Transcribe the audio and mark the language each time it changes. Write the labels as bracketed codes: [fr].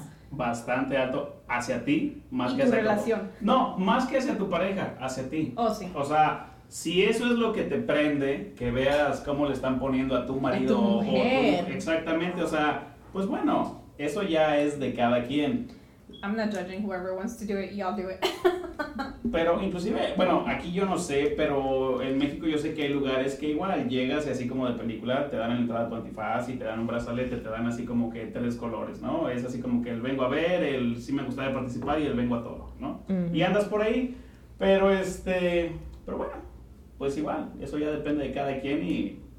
[es] Bastante alto hacia ti. Más ¿y que hacia tu relación? No, más que hacia tu pareja, hacia ti. Oh, sí. O sea, si eso es lo que te prende, que veas cómo le están poniendo a tu marido. A tu mujer. Exactamente, o sea, pues bueno, eso ya es de cada quien. [en] I'm not judging whoever wants to do it, y'all do it. [es] Pero inclusive, bueno, aquí yo no sé, pero en México yo sé que hay lugares que igual llegas y así como de película, te dan la entrada a tu antifaz y te dan un brazalete, te dan así como que tres colores, ¿no? Es así como que el vengo a ver, el sí me gustaría participar y el vengo a todo, ¿no? Y andas por ahí, pero bueno, pues igual, eso ya depende de cada quien y...